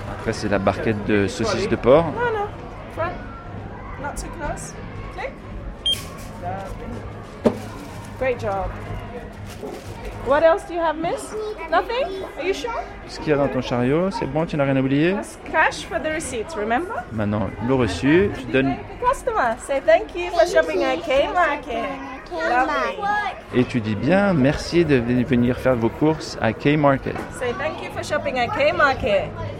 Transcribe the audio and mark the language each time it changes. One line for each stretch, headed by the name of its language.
French: Après, c'est la barquette de saucisses de porc.
English: No, no. Front. Not too close. Click. Lovely. Great job. What else do you have, miss? Nothing? Are you sure?
French: Ce qu'il y a dans ton chariot, c'est bon, tu n'as rien oublié?
English: Just cash for the receipts, remember?
French: Maintenant, le reçu, tu donnes...
English: Customer, say thank you for shopping at K-Market.
French: Et tu dis bien merci de venir faire vos courses à K-Market.
English: Say thank you for shopping at K-Market.